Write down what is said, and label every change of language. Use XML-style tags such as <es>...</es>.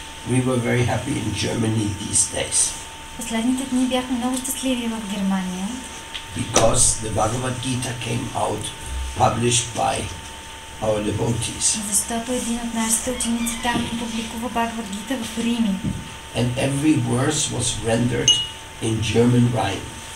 <en>We were very happy in Germany these days.</en> <bg>Последните дни бяхме много щастливи в Германия.</bg> <en>Because the Bhagavad Gita came out, published by our devotees.</en> <bg>Защото един от нашите ученици там публикува Бхагавад Гита в Рим.</bg> <en>And every verse was rendered in German rhyme.</en>